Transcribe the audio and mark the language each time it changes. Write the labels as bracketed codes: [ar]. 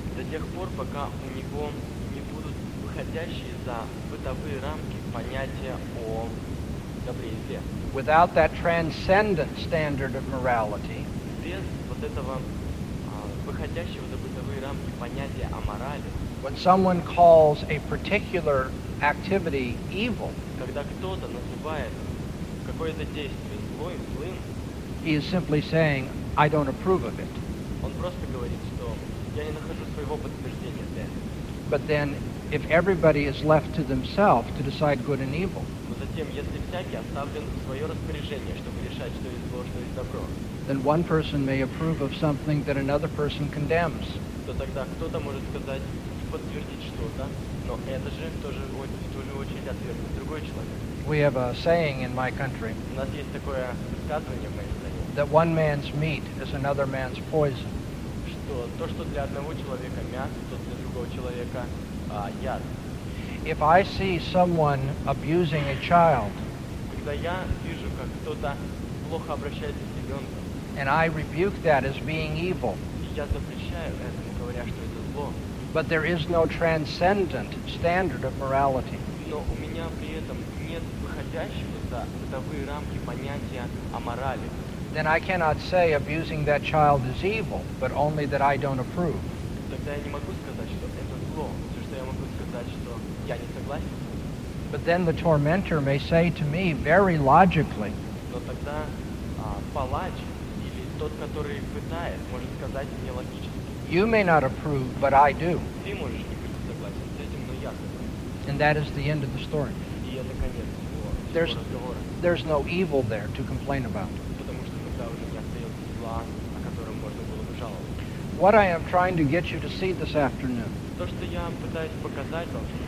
[ru] До тех пор, пока у него не будут выходящие за бытовые рамки понятия о добре и зле. [en] Without that transcendent standard of morality, [ru] без вот этого выходящего за бытовые рамки понятия о морали, [en] when someone calls a particular activity evil, [ru] когда кто-то называет какое-то действие злым, [en] he is simply saying, I don't approve of it. [ru] Он просто говорит, что я не нахожу своего подтверждения для этого. [en] But then, if everybody is left to themselves to decide good and evil, [ru] но затем, если всякий оставлен в свое распоряжение, чтобы решать, что есть зло, что есть добро, [en] then one person may approve of something that another person condemns. [ru] То тогда кто-то может сказать, подтвердить что-то, но это же тоже в ту же очередь отвергнет другой человек. [en] We have a saying in my country. [ru] У нас есть такое высказывание в моей стране. [en] That one man's meat is another man's poison. [ru] Что то, что для одного человека мясо, то для другого человека яд. [en] If I see someone abusing a child, [ru] когда я вижу, как кто-то плохо обращается с ребенком, [en] and I rebuke that as being evil, [ru] и я запрещаю этому, говоря, что это зло. [en] But there is no transcendent standard of morality. [ru] Но у меня при этом нет выходящего за бытовые рамки понятия о морали. [en] Then I cannot say abusing that child is evil, but only that I don't approve. [ru] Тогда я не могу сказать, что это зло. Все, что я могу сказать, что я не согласен. [en] But then the tormentor may say to me very logically, [ru] но тогда палач или тот, который пытает, может сказать мне логически. [en] You may not approve, but I do. [ru] Ты можешь не быть согласен с этим, но я согласен. [en] And that is the end of the story. [ru] И это конец всего, всего разговора. [en] There's no evil there to complain about. [ru] Потому что тогда уже не остается зла, о котором можно было бы жаловаться. [en] What I am trying to get you to see this afternoon, [ru] то, что я пытаюсь показать вам,